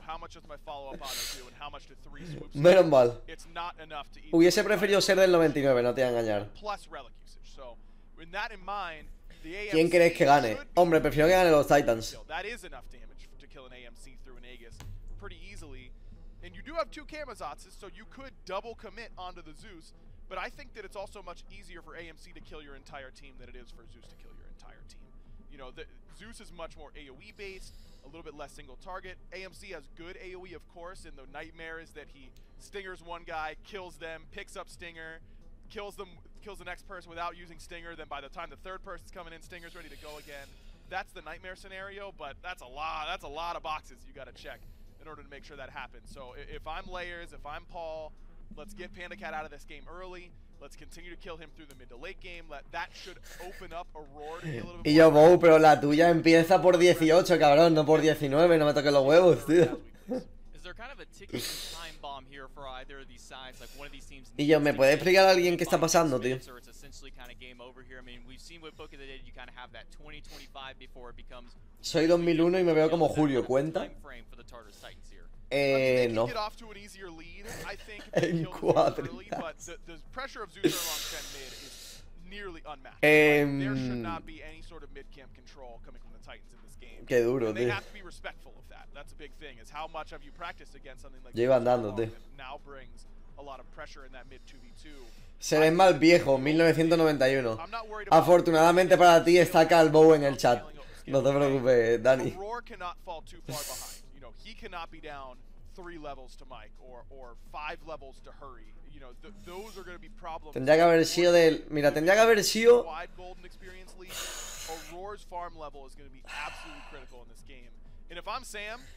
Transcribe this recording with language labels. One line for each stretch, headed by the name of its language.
English: How much does my follow up auto do? And how much do 3 swoops do?
Spanish: Menos mal.
English: It's not enough to eat.
Spanish: Hubiese preferido ser del 99, no te voy a engañar.
English: Plus relic usage. So, with that in mind, the AMC.
Spanish: ¿Quién crees que gane? Hombre, prefiero que gane los Titans.
English: That is enough damage to kill an AMC through an Aegis pretty easily. And you do have 2 Kamazotzes, so you could double commit onto the Zeus. But I think that it's also much easier for AMC to kill your entire team than it is for Zeus to kill your entire team. You know, the Zeus is much more AoE based, a little bit less single target. AMC has good AoE, of course, and the nightmare is that he stingers one guy, kills them, picks up Stinger, kills them, kills the next person without using Stinger, then by the time the third person's coming in, Stinger's ready to go again. That's the nightmare scenario, but that's a lot of boxes you gotta check in order to make sure that happens. So if I'm Layers, if I'm Paul, let's get Panda Cat out of this game early. Let's continue to kill him through the mid to late game. That should open up a roar to be a little bit
Spanish: y yo, Bow, pero la tuya empieza por 18, cabrón, no por 19, no me toques los huevos, tío.
English: Is there kind of a ticking time bomb here for either of these sides? Like one of these teams.
Spanish: Y yo, ¿me puede explicar a alguien qué está pasando, tío?
English: It's essentially kind of game over here. I mean, we've seen with Book of the Dead, you kind of have that 2025 before it becomes.
Spanish: Soy 2001 y me veo como Julio, ¿cuenta? No.
English: Get off to an easier lead, I think.
Spanish: En cuatro.
English: But the pressure of Zeus along Chen mid is nearly unmatched. There should not be any sort of mid camp control coming from the Titans in this game.
Spanish: Qué duro,
English: they have to be respectful of that. That's a big thing. Is how much have you practiced against something like?
Spanish: Lleva andando, tío.
English: Now brings a lot of pressure in that mid 2v2.
Spanish: Seré mal viejo, 1991. Afortunadamente para ti está Calvo en el chat. No te preocupes, Dani.
English: Roar cannot fall too far behind. You know, he cannot be down 3 levels to Mike or 5 levels to Hurry. You know, those are going to be problems.
Spanish: Tendría que haber sido del. Mira, tendría que haber sido.
English: Wide golden experience lead. Roar's farm level is going to be absolutely critical in this game. And if I'm Sam.